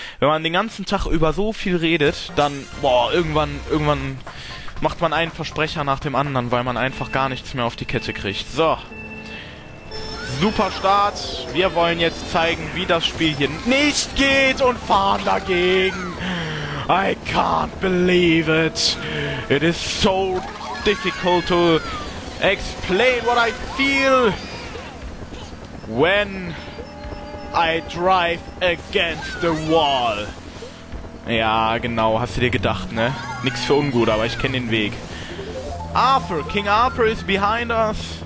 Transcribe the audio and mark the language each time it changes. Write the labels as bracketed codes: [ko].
[de] Wenn man den ganzen Tag über so viel redet, dann... Boah, irgendwann macht man einen Versprecher nach dem anderen, weil man einfach gar nichts mehr auf die Kette kriegt. So. Super Start. Wir wollen jetzt zeigen, wie das Spiel hier nicht geht und fahren dagegen. [en] I can't believe it. It is so... difficult to explain what I feel when I drive against the wall. [de] Ja, genau, hast du dir gedacht, ne? Nix für ungut, aber ich kenne den Weg. [en] Arthur, King Arthur is behind us.